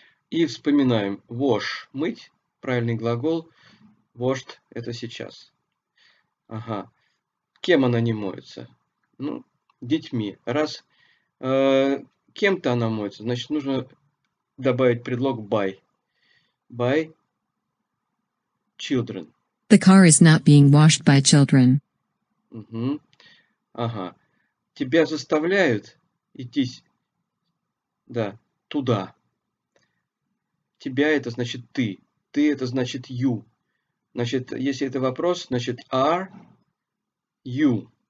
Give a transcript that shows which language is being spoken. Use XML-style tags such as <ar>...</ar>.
<ru>И вспоминаем wash. Мыть. Правильный глагол. Washed – это сейчас. Ага. Кем она не моется? Ну, детьми. Раз кем-то она моется, значит, нужно добавить предлог by.</ru> <en>By children. The car is not being washed by children.</en> <ru>Угу. Ага. Тебя заставляют идти, да, туда. Тебя – это значит ты. Ты – это значит you. Значит, если это вопрос, значит, are you.</ru>